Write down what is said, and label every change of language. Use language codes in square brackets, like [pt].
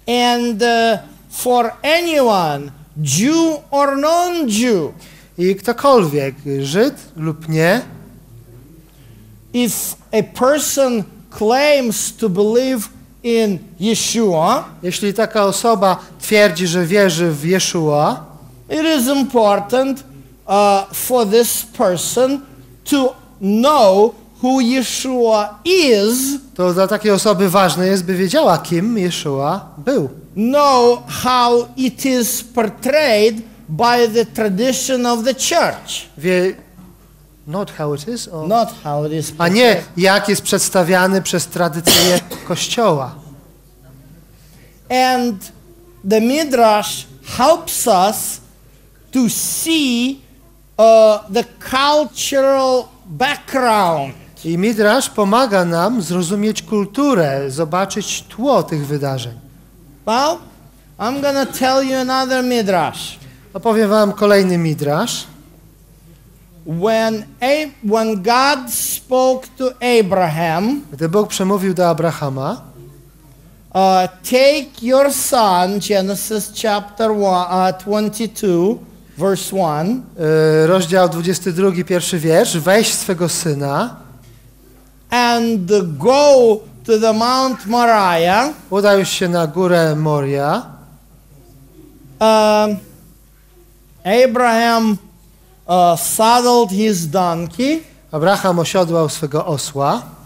[en] And for anyone, Jew or non-Jew? [pl] I ktokolwiek, Żyd lub nie? [en] If a person claims to believe in Yeshua, [pl] jeśli taka osoba twierdzi, że wierzy w Yeshua, [en] it is important for this person to know who Yeshua is. [pl] To dla takiej osoby ważne jest, by wiedziała, kim Yeshua był. [en] Know how it is portrayed by the tradition of the church. Not how it is. [pl] A nie jak jest przedstawiany przez tradycję Kościoła. [en] And the midrash helps us to see the cultural background. [pl] I midrash pomaga nam zrozumieć kulturę, zobaczyć tło tych wydarzeń. [en] Well, I'm gonna tell you another midrash. [pl] Opowiem wam kolejny midrash. [en] When God spoke to Abraham, [pl] gdy Bóg przemówił do Abrahama, [en] take your son, Genesis chapter 22, verse 1, [pl] rozdział 22, pierwszy wiersz, weź swego syna, [en] and go to the Mount Moriah, [pl] udaj się na górę Moria. [en] Abraham saddled his donkey. [pl] Abraham osiodłał swego osła.